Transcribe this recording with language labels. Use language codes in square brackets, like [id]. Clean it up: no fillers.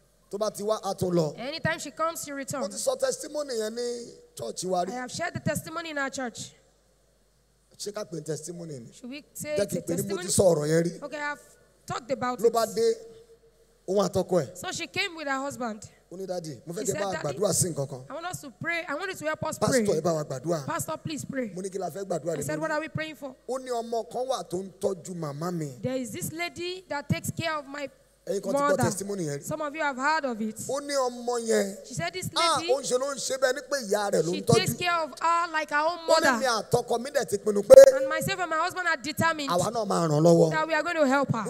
[yo] Tó bá ti wá a tó lọ. [en] Anytime she comes, she returns. [yo] Mo ti sọ testimony yẹn ní church wa rí. [en] I have shared the testimony in our church. [yo] Ṣé ká pè testimony ni? [en] Should we say the testimony? [yo] Jẹ́ kí n pè ní mo ti sọ ọ̀rọ̀ yẹn rí. [en] Okay, I've talked about it. [yo] Ló bá dé òun àtọkọ ẹ̀. [en] So she came with her husband. [yo] Ó ní dádì, mo fẹ́ kí bá gbàdúrà sí nǹkankan. [en] I want us to pray. I want you to help us pastor, pray. [yo] Pastor, ẹ bá wa gbàdúrà. [en] Pastor, please pray. [yo] Mo ní kí la fẹ́ gbàdúrà lè mú. [en] I said, what are we praying for? Ó ní ọmọ kan wà tó ń tọ́jú màmá mi. There is this lady that takes care of my more than testimony. Some of you have heard of it. She said this lady, she takes care of her like her own mother. And myself and my husband are determined that we are going to help her.